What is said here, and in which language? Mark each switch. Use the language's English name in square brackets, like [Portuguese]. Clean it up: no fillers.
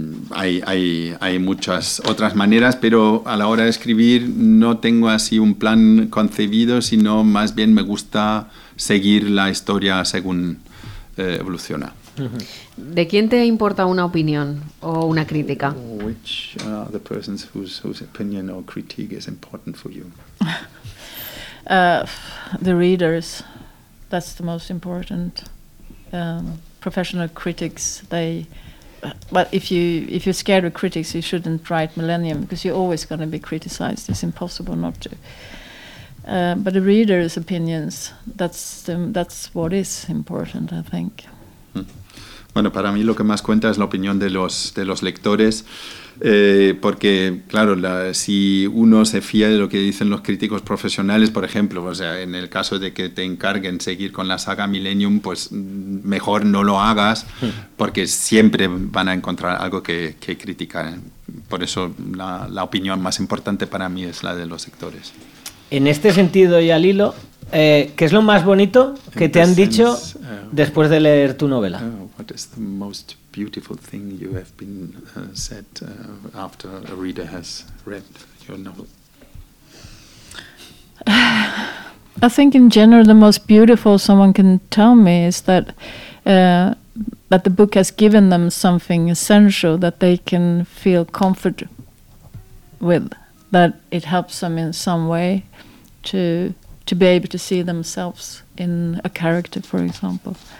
[Spanish] Hay muchas otras maneras, pero a la hora de escribir no tengo así un plan concebido, sino más bien me gusta seguir la historia según evoluciona. ¿De quién te importa una opinión o una crítica? [English] Which are the persons whose opinion or critique is important for you? The readers, that's the most important. Professional critics, they. But if you're scared of critics, you shouldn't write Millennium, because you're always going to be criticized. It's impossible not to. But the readers' opinions, that's what is important, I think. [Spanish] Bueno, para mí lo que más cuenta es la opinión de los lectores, porque claro, si uno se fía de lo que dicen los críticos profesionales, por ejemplo, o sea, en el caso de que te encarguen seguir con la saga Millennium, pues mejor no lo hagas, porque siempre van a encontrar algo que criticar. Por eso la opinión más importante para mí es la de los lectores. En este sentido y al hilo, ¿qué es lo más bonito que te han dicho después de leer tu novela? [English] What is the most beautiful thing you have been said after a reader has read your novel? I think in general the most beautiful someone can tell me is that that the book has given them something essential that they can feel comfort with, that it helps them in some way to be able to see themselves in a character, for example.